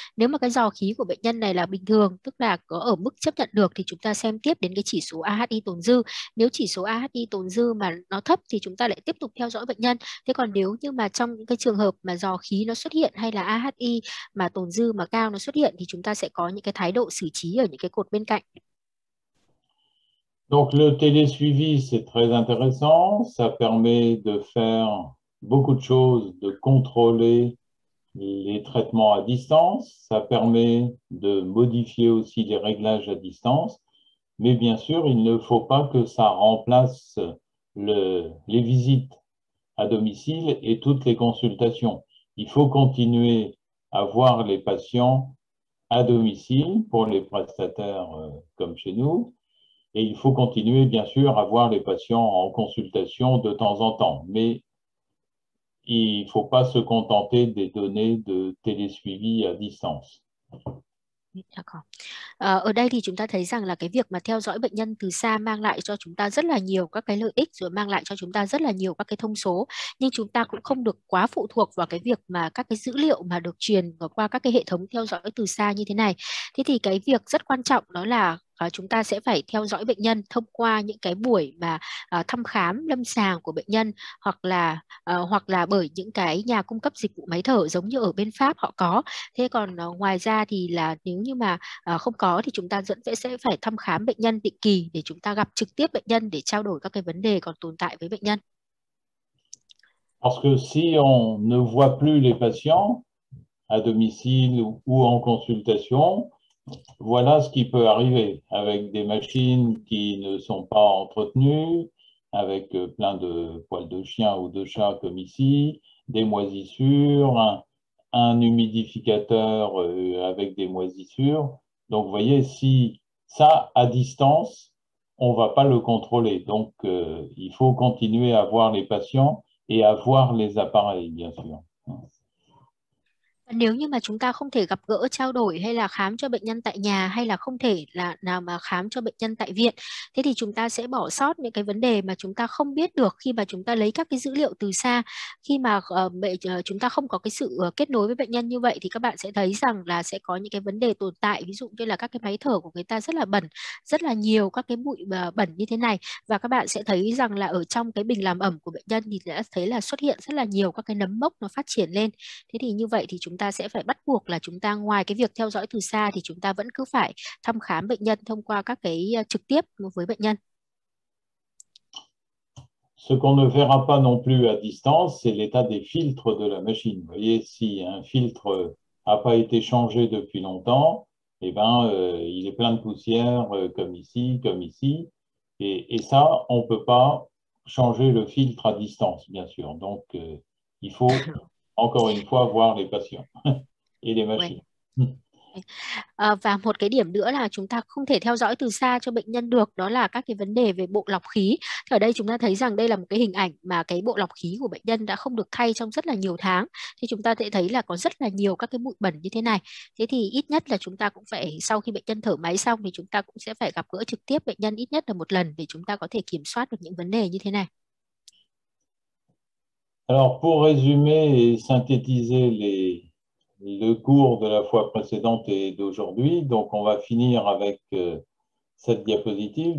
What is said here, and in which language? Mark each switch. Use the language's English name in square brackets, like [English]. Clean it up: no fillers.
[Vietnamese] Nếu mà cái dò khí của bệnh nhân này là bình thường, tức là có ở mức chấp nhận được, thì chúng ta xem tiếp đến cái chỉ số AHI tồn dư. Nếu chỉ số AHI tồn dư mà nó thấp thì chúng ta lại tiếp tục theo dõi bệnh nhân. Thế còn nếu như mà trong những cái trường hợp mà dò khí nó xuất hiện hay là AHI mà tồn dư mà cao nó xuất hiện thì chúng ta sẽ có những cái thái độ xử trí ở những cái cột bên cạnh. [French] Donc le télésuivi, c'est très intéressant. Ça permet de faire beaucoup de choses, de contrôler les traitements à distance. Ça permet de modifier aussi les réglages à distance. Mais bien sûr, il ne faut pas que ça remplace les visites à domicile et toutes les consultations. Il faut continuer à voir les patients à domicile pour les prestataires comme chez nous. Et il faut continuer, bien sûr, à voir les patients en consultation de temps en temps. Mais il ne faut pas se contenter des données de télésuivi à distance. D'accord. [Vietnamese] Ở đây thì chúng ta thấy rằng là cái việc mà theo dõi bệnh nhân từ xa mang lại cho chúng ta rất là nhiều các cái lợi ích, rồi mang lại cho chúng ta rất là nhiều các cái thông số, nhưng chúng ta cũng không được quá phụ thuộc vào cái việc mà các cái dữ liệu mà được truyền qua các cái hệ thống theo dõi từ xa như thế này. Thế thì cái việc rất quan trọng đó là chúng ta sẽ phải theo dõi bệnh nhân thông qua những cái buổi mà thăm khám lâm sàng của bệnh nhân, hoặc là bởi những cái nhà cung cấp dịch vụ máy thở giống như ở bên Pháp họ có. Thế còn ngoài ra thì là nếu như mà không có thì chúng ta vẫn sẽ phải thăm khám bệnh nhân định kỳ để chúng ta gặp trực tiếp bệnh nhân để trao đổi các cái vấn đề còn tồn tại với bệnh nhân. [French] Parce que si on ne voit plus les patients à domicile ou en consultation, voilà ce qui peut arriver avec des machines qui ne sont pas entretenues, avec plein de poils de chien ou de chat comme ici, des moisissures, un humidificateur avec des moisissures. Donc, vous voyez, si ça à distance, on ne va pas le contrôler. Donc, il faut continuer à voir les patients et avoir les appareils, bien sûr. [Vietnamese] Nếu như mà chúng ta không thể gặp gỡ trao đổi hay là khám cho bệnh nhân tại nhà, hay là không thể là nào mà khám cho bệnh nhân tại viện, thế thì chúng ta sẽ bỏ sót những cái vấn đề mà chúng ta không biết được khi mà chúng ta lấy các cái dữ liệu từ xa. Khi mà chúng ta không có cái sự kết nối với bệnh nhân như vậy thì các bạn sẽ thấy rằng là sẽ có những cái vấn đề tồn tại, ví dụ như là các cái máy thở của người ta rất là bẩn, rất là nhiều các cái bụi bẩn như thế này, và các bạn sẽ thấy rằng là ở trong cái bình làm ẩm của bệnh nhân thì đã thấy là xuất hiện rất là nhiều các cái nấm mốc nó phát triển lên. Thế thì như vậy thì chúng ta sẽ phải bắt buộc là chúng ta ngoài cái việc theo dõi từ xa thì chúng ta vẫn cứ phải thăm khám bệnh nhân thông qua các cái trực tiếp với bệnh nhân. [French] Ce qu'on ne verra pas non plus à distance, c'est l'état des filtres de la machine. Vous voyez, si un filtre n'a pas été changé depuis longtemps, eh ben, il est plein de poussière, comme ici, et ça, on ne peut pas changer le filtre à distance, bien sûr. Donc, il faut, encore une fois, voir les patients et les machines. [Vietnamese] Và một cái điểm nữa là chúng ta không thể theo dõi từ xa cho bệnh nhân được, đó là các cái vấn đề về bộ lọc khí. Thì ở đây chúng ta thấy rằng đây là một cái hình ảnh mà cái bộ lọc khí của bệnh nhân đã không được thay trong rất là nhiều tháng. Thì chúng ta sẽ thấy là có rất là nhiều các cái bụi bẩn như thế này. Thế thì ít nhất là chúng ta cũng phải, sau khi bệnh nhân thở máy xong thì chúng ta cũng sẽ phải gặp gỡ trực tiếp bệnh nhân ít nhất là một lần để chúng ta có thể kiểm soát được những vấn đề như thế này. [French] Alors, pour résumer et synthétiser le cours de la fois précédente et d'aujourd'hui, donc on va finir avec cette diapositive.